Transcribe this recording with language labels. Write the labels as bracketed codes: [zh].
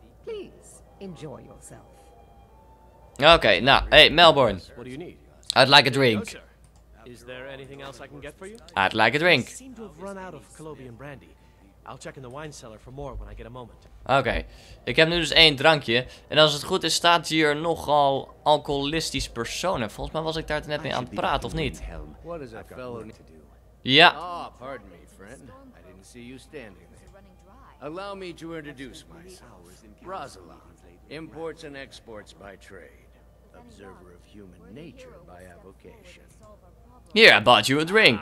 [en] Please, enjoy yourself. Okay, now, hey, Melbourne. What do you need? I'd like a drink. Is there anything else I can get for you? I'd like a drink. I seem to have run out of Colobian brandy. I'll check in the wine cellar for more when I get a moment. [nl] Okay, ik heb nu dus 1 drankje. En als het goed is, staat hier nogal alcoholistisch personen. Volgens mij was ik daar net mee aan het praten, of niet? [en] What is that fellow to do? [nl] Ja. [en] Ah, pardon me, friend. I didn't see you standing there. Allow me to introduce myself. Rosalon, imports and exports by trade. observer of human nature by avocation. Here, I bought you a drink.